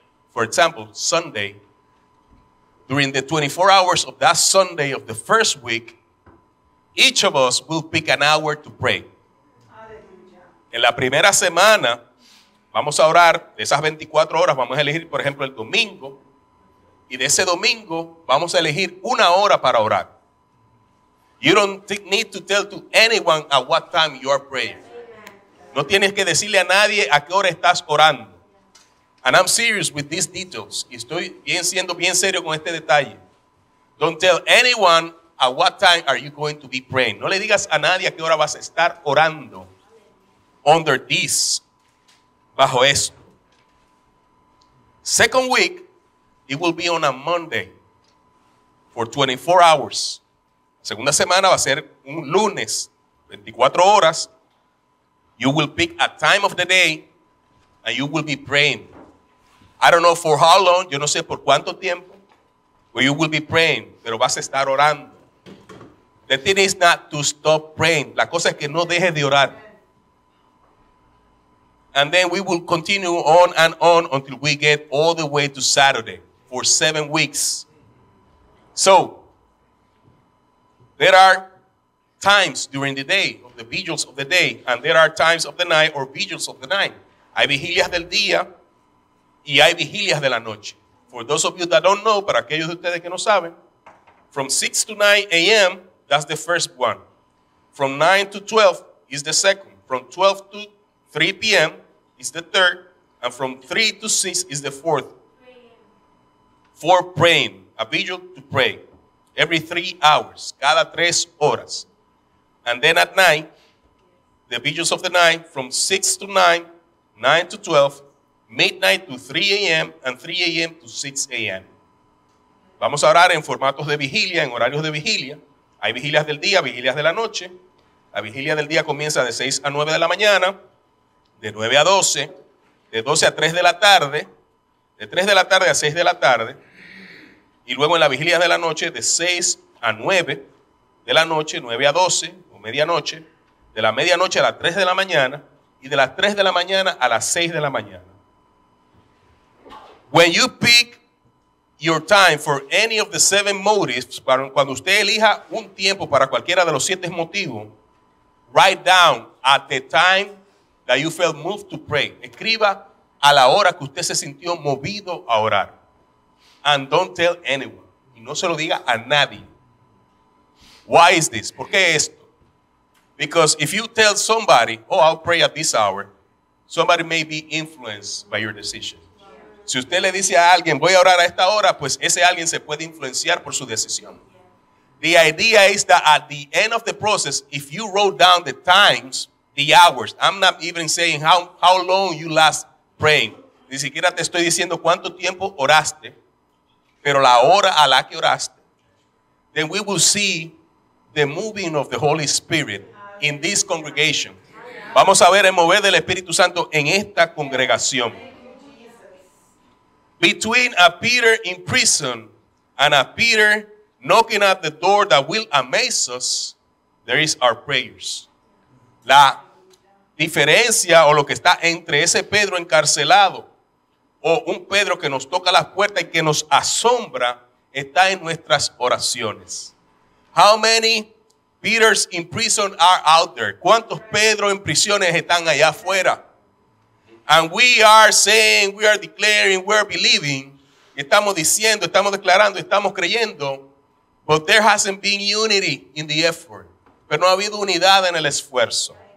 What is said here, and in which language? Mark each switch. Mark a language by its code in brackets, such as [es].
[en] For example, Sunday, during the 24 hours of that Sunday of the first week, each of us will pick an hour to pray. [es] En la primera semana, vamos a orar de esas 24 horas, vamos a elegir, por ejemplo, el domingo, y de ese domingo, vamos a elegir una hora para orar. [en] You don't need to tell to anyone at what time you are praying. [es] No tienes que decirle a nadie a qué hora estás orando. [en] And I'm serious with these details. [es] Y estoy bien siendo bien serio con este detalle. [en] Don't tell anyone at what time are you going to be praying. [es] No le digas a nadie a qué hora vas a estar orando. [en] Under this, [es] bajo esto. [en] Second week, it will be on a Monday for 24 hours. [es] Segunda semana va a ser un lunes, 24 horas. [en] You will pick a time of the day and you will be praying. I don't know for how long, [es] yo no sé por cuánto tiempo, [en] but you will be praying, [es] pero vas a estar orando. [en] The thing is not to stop praying. [es] La cosa es que no dejes de orar. [en] And then we will continue on and on until we get all the way to Saturday for 7 weeks. So, there are times during the day, of the vigils of the day, and there are times of the night or vigils of the night. [es] Hay vigilias del día, y hay vigilias de la noche. [en] For those of you that don't know, [es] para aquellos de ustedes que no saben, [en] from 6 to 9 a.m., that's the first one. From 9 to 12 is the second. From 12 to 3 p.m. is the third. And from 3 to 6 is the fourth. For praying, a vigil to pray. Every 3 hours, [es] cada 3 horas. [en] And then at night, the vigils of the night, from 6 to 9, 9 to 12, midnight to 3 a.m. and 3 a.m. to 6 a.m. [es] Vamos a orar en formatos de vigilia, en horarios de vigilia. Hay vigilias del día, vigilias de la noche. La vigilia del día comienza de 6 a 9 de la mañana, de 9 a 12, de 12 a 3 de la tarde, de 3 de la tarde a 6 de la tarde, y Y luego en la vigilia de la noche, de 6 a 9 de la noche, 9 a 12, o medianoche, de la medianoche a las 3 de la mañana, y de las 3 de la mañana a las 6 de la mañana. [en] When you pick your time for any of the 7 motives, [es] cuando usted elija un tiempo para cualquiera de los 7 motivos, [en] write down at the time that you felt moved to pray. [es] Escriba a la hora que usted se sintió movido a orar. [en] And don't tell anyone. [es] Y no se lo diga a nadie. [en] Why is this? [es] ¿Por qué esto? [en] Because if you tell somebody, oh, I'll pray at this hour, somebody may be influenced by your decision. [es] Si usted le dice a alguien, voy a orar a esta hora, pues ese alguien se puede influenciar por su decisión. [en] The idea is that at the end of the process, if you wrote down the times, the hours, I'm not even saying how long you last praying. [es] Ni siquiera te estoy diciendo cuánto tiempo oraste, pero la hora a la que oraste. [en] Then we will see the moving of the Holy Spirit in this congregation. [es] Vamos a ver el mover del Espíritu Santo en esta congregación. [en] Between a Peter in prison and a Peter knocking at the door that will amaze us, there is our prayers. [es] La diferencia o lo que está entre ese Pedro encarcelado o un Pedro que nos toca las puertas y que nos asombra está en nuestras oraciones. [en] How many Peters in prison are out there? [es] ¿Cuántos Pedro en prisiones están allá afuera? [en] And we are saying, we are declaring, we are believing. [es] Estamos diciendo, estamos declarando, estamos creyendo. [en] But there hasn't been unity in the effort. [es] Pero no ha habido unidad en el esfuerzo.